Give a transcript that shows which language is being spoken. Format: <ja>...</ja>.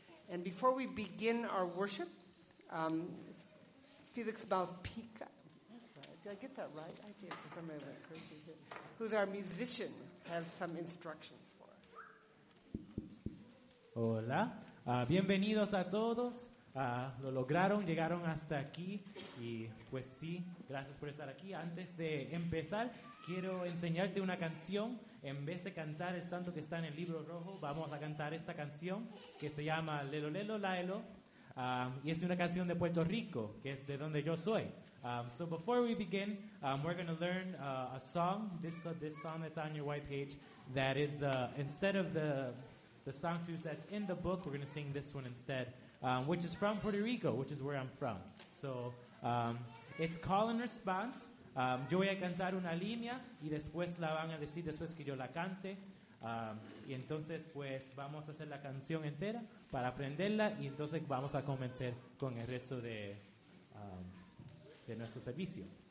<en>And before we begin our worship, Felix Malpica, did I get that right? I did. Somebody went crazy here. Who's our musician, has some instructions for us.</en> <es>Hola. Bienvenidos a todos. Lo lograron, llegaron hasta aquí y pues sí, gracias por estar aquí. Antes de empezar, quiero enseñarte una canción. En vez de cantar el santo que está en el libro rojo, vamos a cantar esta canción que se llama Lelo Lelo Laelo, y es una canción de Puerto Rico, que es de donde yo soy.</es> <en>So before we begin, we're going to learn a song, this song that's on your white page, that is the, instead of the Sanctus that's in the book, we're going to sing this one instead. Which is from Puerto Rico, which is where I'm from. So it's call and response.</en> <es>Yo voy a cantar una línea y después la van a decir después que yo la cante. Y entonces pues vamos a hacer la canción entera para aprenderla y entonces vamos a comenzar con el resto de nuestro servicio.</es>